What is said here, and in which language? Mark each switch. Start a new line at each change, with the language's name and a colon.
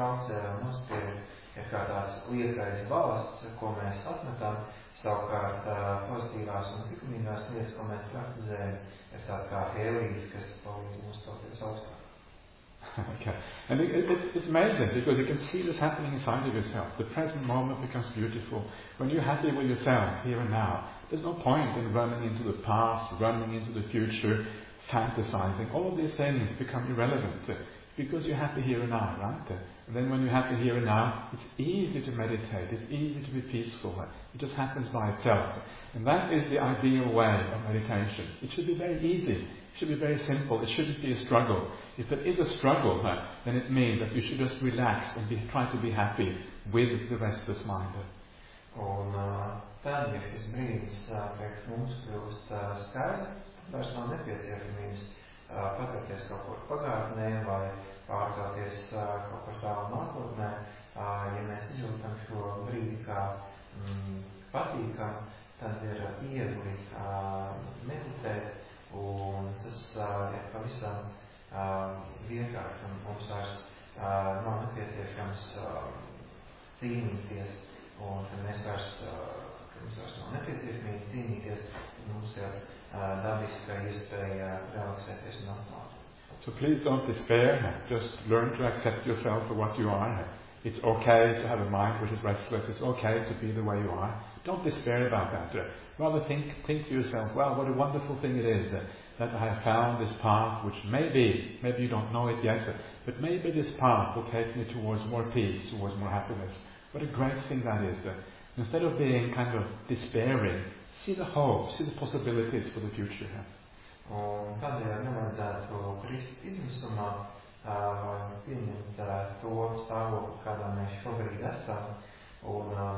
Latvian: Ir kā tāds liekais balsts, ko mēs atmetām, savukārt pozitīvās un tikumīgās lietas, ko mēs praktizējam, ir tāds kā helijs, kas palīdz mums stāties augstāk.
English: Okay. And it's amazing, because you can see this happening inside of yourself. The present moment becomes beautiful. When you're happy with yourself, here and now, there's no point in running into the past, running into the future, fantasizing. All of these things become irrelevant. Because you're happy here and now, right? And then when you're happy here and now, it's easy to meditate, it's easy to be peaceful. It just happens by itself. And that is the ideal way of meditation. It should be very easy. It should be very simple. It shouldn't be a struggle. If there is a struggle, then it means that you should just relax and try to be happy with the restless mind.
Latvian: Un tad, ja šis brīdis pēc mums kļūst skaists, vairs nav nepieciešamības pakarties kaut kur pagātnē vai pārcelties kaut kur tālu nākotnē, ja mēs izjūtam šo brīdi kā patīkam, tad ir viegli meditēt, un tas ir pavisam vienkārši, un mums vairs nav nepieciešams cīnīties, un tad mēs vairs, ka mums vairs nav nepieciešamīgi cīnīties, tad mums ir dabiska iespēja relaksēties un atslābt.
English: So please don't despair, just learn to accept yourself for what you are. It's okay to have a mind which is restless, it's okay to be the way you are. Don't despair about that. Rather think to yourself, well, what a wonderful thing it is that I have found this path, which maybe you don't know it yet, but maybe this path will take me towards more peace, towards more happiness. What a great thing that is. Instead of being kind of despairing, see the hope, see the possibilities for the future.
Latvian: Un tādēļ nevajadzētu kristi izmisumā pieņemt to stāvokli, kādā mēs šobrīd esam, un